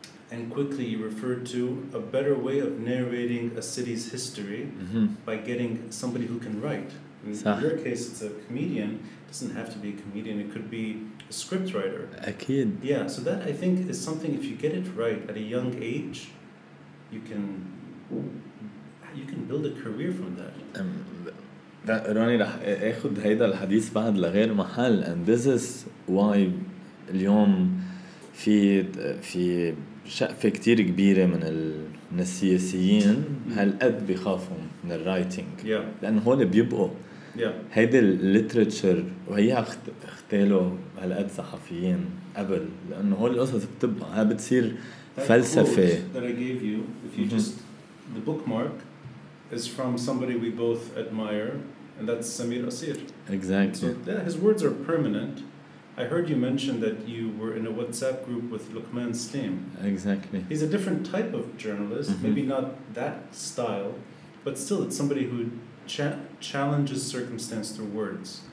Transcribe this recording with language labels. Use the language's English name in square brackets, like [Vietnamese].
[English] And quickly you referred to a better way of narrating a city's history by getting somebody who can write. In your case, it's a comedian. It doesn't have to be a comedian. It could be a script writer. A kid. Yeah, so that I think is something, if you get it right at a young age, you can build a career from that. [Arabic] روني رح أخذ هيدا الحديث بعد لغير محل. [English] And this is why [Arabic] اليوم في شقفة كتير كبيرة من السياسيين هالقد بيخافوا من الرايتنج. [English] Yeah. [Arabic] لأن هول بيبقوا. [English] Yeah. [Arabic] هيدا الليتريتشر وهي اختالوا هالقد صحفيين قبل لأن هول القصص بتبقى ها بتصير فلسفة. [English] That quote that I gave you, if you just the bookmark, is from somebody we both admire, and that's Samir Asir. Exactly. So, yeah, his words are permanent. I heard you mention that you were in a WhatsApp group with Luqman Slim. Exactly. He's a different type of journalist, maybe not that style, but still it's somebody who challenges circumstance through words.